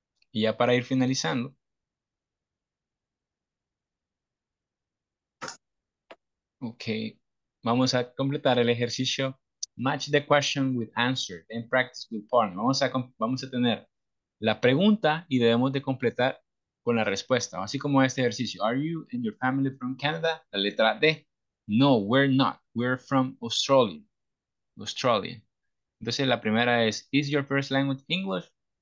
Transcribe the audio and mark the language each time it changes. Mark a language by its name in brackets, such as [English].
[Spanish] Y ya para ir finalizando, okay, vamos a completar el ejercicio. [English] Match the question with answer, then practice with partner. [Spanish] Vamos a tener la pregunta y debemos de completar con la respuesta. Así como este ejercicio. [English] Are you and your family from Canada? [Spanish] La letra D. [English] No, we're not. We're from Australia. Australia. [Spanish] Entonces, la primera es, [English] is your first language English?